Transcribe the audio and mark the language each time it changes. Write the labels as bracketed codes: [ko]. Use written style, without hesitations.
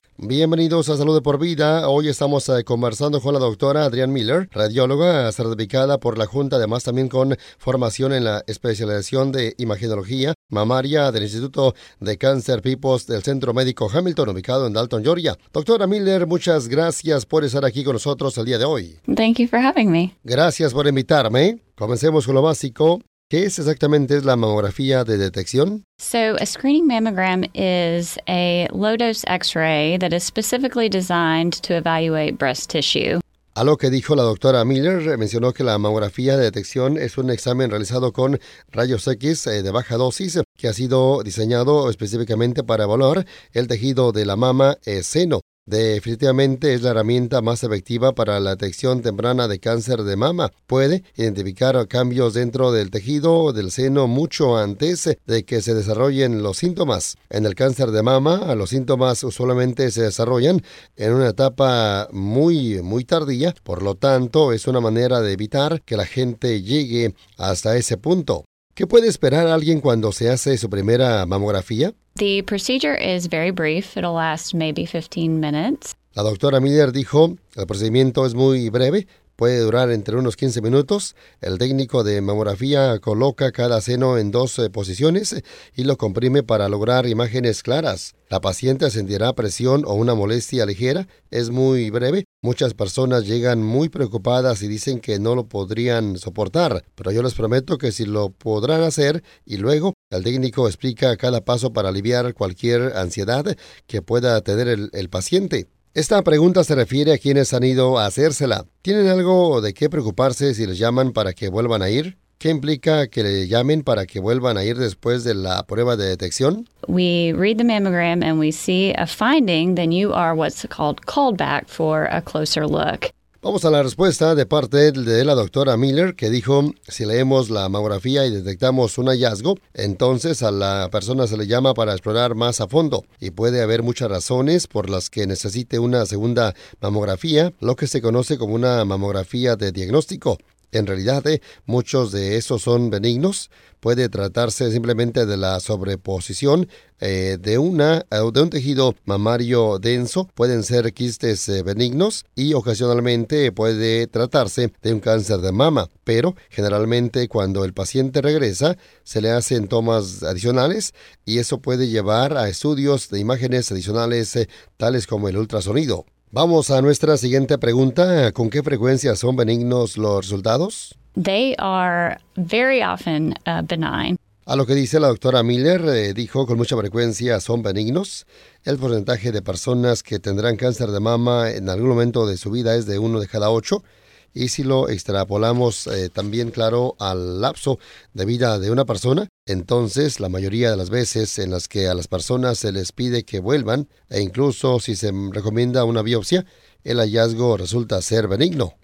[es] Bienvenidos a Salud de por Vida. Hoy estamos conversando con la doctora Adrienne Miller, radióloga certificada por la Junta, además también con formación en la especialización de imagenología mamaria del Instituto de Cáncer PIPOS del Centro Médico Hamilton, ubicado en Dalton, Georgia. Doctora Miller, muchas gracias por estar aquí con nosotros el día de hoy. [en] Thank you for having me. [es] Gracias por invitarme. Comencemos con lo básico. ¿Qué es exactamente la mamografía de detección? [en] So, a screening mammogram is a low-dose X-ray that is specifically designed to evaluate breast tissue. [es] A lo que dijo la doctora Miller, mencionó que la mamografía de detección es un examen realizado con rayos X de baja dosis que ha sido diseñado específicamente para evaluar el tejido de la mama seno. Definitivamente es la herramienta más efectiva para la detección temprana de cáncer de mama. Puede identificar cambios dentro del tejido del seno mucho antes de que se desarrollen los síntomas. En el cáncer de mama, los síntomas usualmente se desarrollan en una etapa muy, muy tardía. Por lo tanto, es una manera de evitar que la gente llegue hasta ese punto. ¿Qué puede esperar alguien cuando se hace su primera mamografía? [en] The procedure is very brief. It'll last maybe 15 minutes. [es] La doctora Miller dijo, el procedimiento es muy breve, puede durar entre unos 15 minutos. El técnico de mamografía coloca cada seno en dos posiciones y lo comprime para lograr imágenes claras. La paciente sentirá presión o una molestia ligera. Es muy breve. Muchas personas llegan muy preocupadas y dicen que no lo podrían soportar, pero yo les prometo que sí lo podrán hacer y luego el técnico explica cada paso para aliviar cualquier ansiedad que pueda tener el paciente. Esta pregunta se refiere a quienes han ido a hacérsela. ¿Tienen algo de qué preocuparse si les llaman para que vuelvan a ir? ¿Qué implica que le llamen para que vuelvan a ir después de la prueba de detección? [en] We read the mammogram and we see a finding, then you are what's called back for a closer look. [es] Vamos a la respuesta de parte de la doctora Miller, que dijo, si leemos la mamografía y detectamos un hallazgo, entonces a la persona se le llama para explorar más a fondo. Y puede haber muchas razones por las que necesite una segunda mamografía, lo que se conoce como una mamografía de diagnóstico. En realidad, muchos de esos son benignos. Puede tratarse simplemente de la sobreposición de un tejido mamario denso. Pueden ser quistes benignos y ocasionalmente puede tratarse de un cáncer de mama. Pero generalmente cuando el paciente regresa, se le hacen tomas adicionales y eso puede llevar a estudios de imágenes adicionales tales como el ultrasonido. Vamos a nuestra siguiente pregunta. ¿Con qué frecuencia son benignos los resultados? [en] They are very often benign. [es] A lo que dice la doctora Miller, dijo con mucha frecuencia son benignos. El porcentaje de personas que tendrán cáncer de mama en algún momento de su vida es de 1 de cada 8. Y si lo extrapolamos también, claro, al lapso de vida de una persona, entonces la mayoría de las veces en las que a las personas se les pide que vuelvan, e incluso si se recomienda una biopsia, el hallazgo resulta ser benigno.